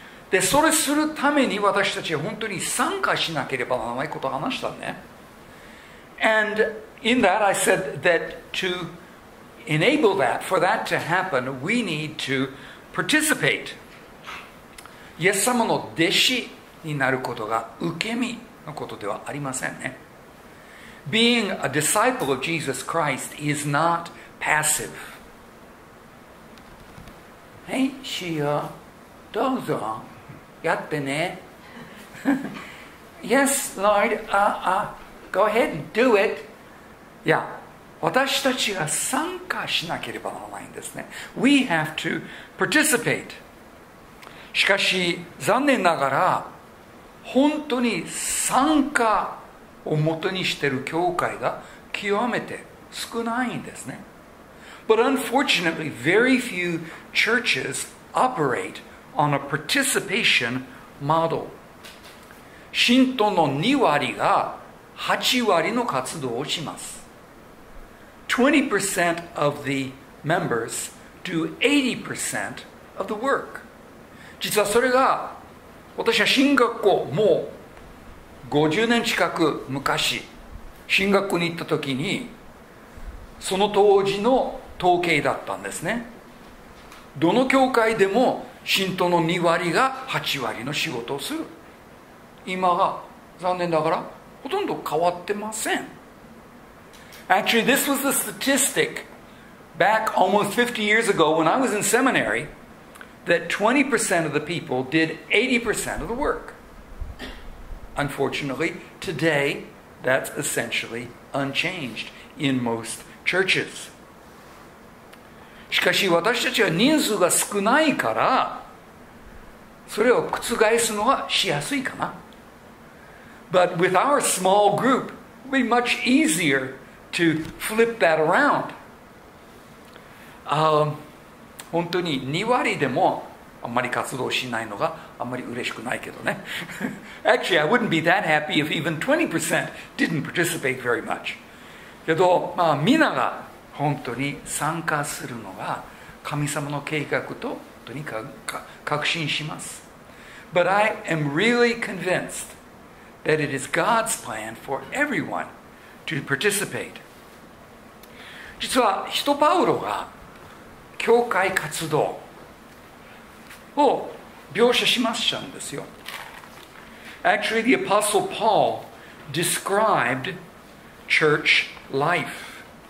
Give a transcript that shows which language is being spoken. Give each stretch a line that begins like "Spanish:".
Japanese: で、それするために私たちは本当に参加しなければならないことを話したね。
English: And in that I said that to enable that, for that to happen, we need to participate.
Japanese: イエス様の弟子になることが受け身のことではありませんね。
English: Being a disciple of Jesus Christ is notpassive.
Japanese: はい、主よ、どうぞ、やってね。
English: Yes, Lord, go ahead and do it.
Japanese: いや、私たちが参加しなければならないんですね。
English: We have to participate.
Japanese: しかし、残念ながら、本当に参加をもとにしている教会が極めて少ないんですね。
English: But unfortunately, very few churches operate on a participation model.
Japanese: 信徒の2割が8割の活動をします。
English: 20% of the members do 80% of the work.
Japanese: 実はそれが、私は神学校、もう50年近く昔、神学校に行った時に、その当時の統計だったんですね。どの教会でも信徒の2割が8割の仕事をする。今は残念ながらほとんど変わってません。
English: Actually, this was the statistic back almost 50 years ago when I was in seminary that 20% of the people did 80% of the work. Unfortunately, today that's essentially unchanged in most churches.
Japanese: しかし私たちは人数が少ないからそれを覆すのはしやすいかな。
English: But with our small group, it would be much easier to flip that around.
Japanese: 本当に2割でもあんまり活動しないのがあんまり嬉しくないけどね。
English: Actually, I wouldn't be that happy if even 20% didn't participate very much.
Japanese: けど、まあ、みんなが本当に参加するのが神様の計画と本当にかか確信します。
English: But I am really convinced that it is God's plan for everyone to participate.
Japanese: 実は、使徒パウロが教会活動を描写しましたんですよ。
English: Actually, the Apostle Paul described church life.